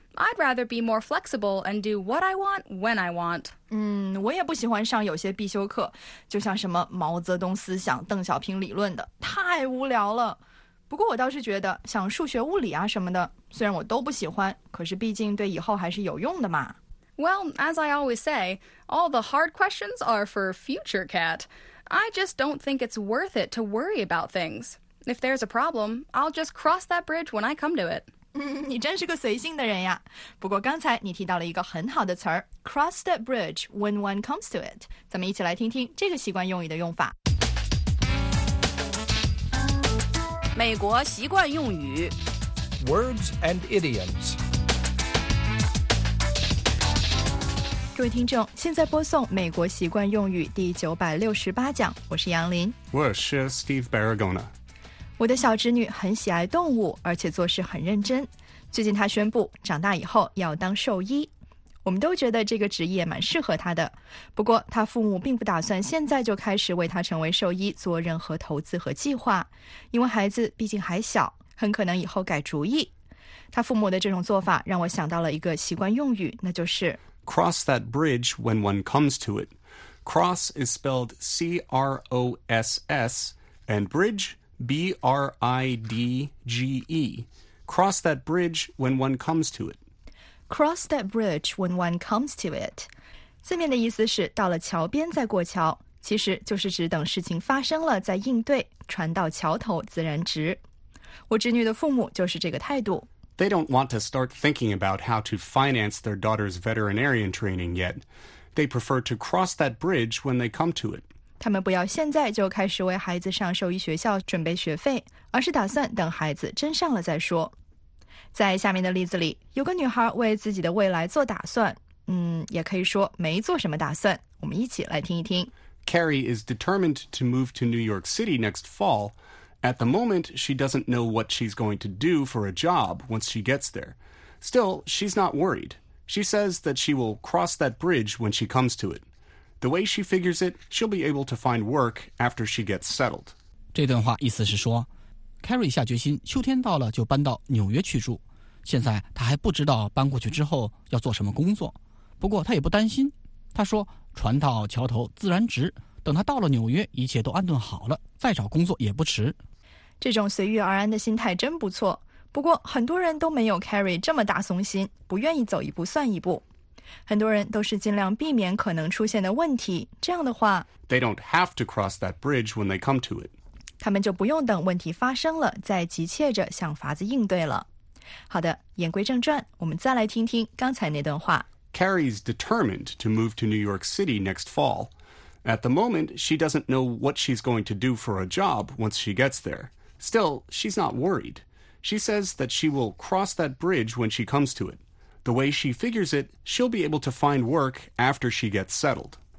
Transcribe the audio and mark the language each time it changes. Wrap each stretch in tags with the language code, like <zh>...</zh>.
<en>I'd rather be more flexible and do what I want when I want.</en> <zh>我也不喜欢上有些必修课，就像什么毛泽东思想、邓小平理论的，太无聊了。不过我倒是觉得，像数学、物理啊什么的，虽然我都不喜欢，可是毕竟对以后还是有用的嘛。</zh> <en>Well, as I always say, all the hard questions are for future Cat. I just don't think it's worth it to worry about things. If there's a problem, I'll just cross that bridge when I come to it.</en> <zh>你真是个随性的人呀。不过刚才你提到了一个很好的词儿</zh> <en>cross that bridge when one comes to it.</en> <zh>咱们一起来听听这个习惯用语的用法。美国习惯用语</zh> <en>Words and idioms.</en> <zh>各位听众，现在播送美国习惯用语第968讲，我是杨林。我是 Steve Barragona。我的小侄女很喜爱动物，而且做事很认真。最近她宣布长大以后要当兽医，我们都觉得这个职业蛮适合她的。不过她父母并不打算现在就开始为她成为兽医做任何投资和计划，因为孩子毕竟还小，很可能以后改主意。她父母的这种做法让我想到了一个习惯用语，那就是</zh> <en>Cross that bridge when one comes to it. Cross is spelled C-R-O-S-S and bridge B-R-I-D-G-E. Cross that bridge when one comes to it. Cross that bridge when one comes to it.</en> <zh>字面的意思是到了桥边再过桥，其实就是指等事情发生了再应对，船到桥头自然直。我侄女的父母就是这个态度。</zh> <en>They don't want to start thinking about how to finance their daughter's veterinarian training yet. They prefer to cross that bridge when they come to it.</en> <zh>他们不要现在就开始为孩子上兽医学校准备学费，而是打算等孩子真上了再说。在下面的例子里，有个女孩为自己的未来做打算，也可以说没做什么打算。我们一起来听一听。</zh> <en>Carrie is determined to move to New York City next fall. At the moment, she doesn't know what she's going to do for a job once she gets there. Still, she's not worried. She says that she will cross that bridge when she comes to it. The way she figures it, she'll be able to find work after she gets settled.</en> <zh>这段话意思是说 ,Carrie 下决心秋天到了就搬到纽约去住。现在她还不知道搬过去之后要做什么工作。不过她也不担心。她说船到桥头自然直。等他到了纽约，一切都安顿好了，再找工作也不迟。这种随遇而安的心态真不错。不过很多人都没有 Carrie 这么大松心，不愿意走一步算一步。很多人都是尽量避免可能出现的问题。这样的话</zh> <en>，They don't have to cross that bridge when they come to it.</en> <zh>他们就不用等问题发生了，再急切着想法子应对了。好的，言归正传，我们再来听听刚才那段话。</zh> <en>Carrie's determined to move to New York City next fall. At the moment, she doesn't know what she's going to do for a job once she gets there. Still, she's not worried. She says that she will cross that bridge when she comes to it. The way she figures it, she'll be able to find work after she gets settled.</en>